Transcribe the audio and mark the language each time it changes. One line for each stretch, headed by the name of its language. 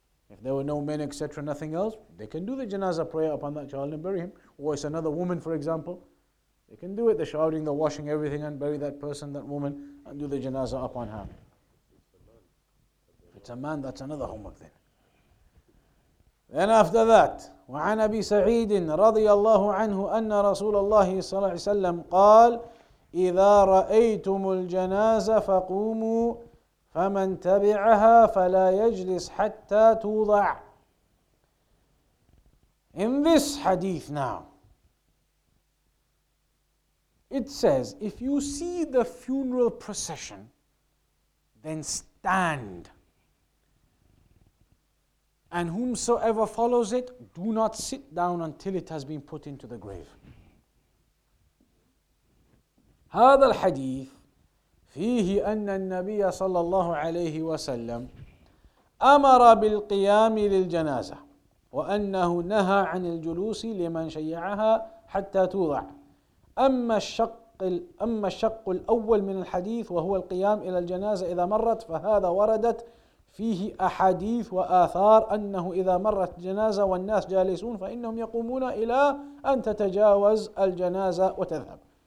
English: If there were no men, etc., nothing else, they can do the janazah prayer upon that child and bury him. Or it's another woman, for example, they can do it, the shrouding, the washing, everything, and bury that person, that woman, and do the janazah upon her. If it's a man, that's another homework then. Then after that,
Arabic: وعن أبي سعيد رضي الله عنه أن رسول الله صلى الله عليه وسلم قال إذا رأيتم الجنازة فقوموا فمن تبعها فلا يجلس حتى توضع.
English: In this hadith now, it says, if you see the funeral procession, then stand. And whomsoever follows it, do not sit down until it has been put into the grave.
Arabic: هذا الحديث فيه أن النبي صلى الله عليه وسلم أمر بالقيام للجنازة وأنه نهى عن الجلوس لمن شيعها حتى توضع. أما الشق الأول من الحديث وهو القيام إلى الجنازة إذا مرت فهذا وردت فيه أحاديث وآثار أنه إذا مرت جنازة والناس جالسون فإنهم يقومون إلى أن تتجاوز الجنازة وتذهب.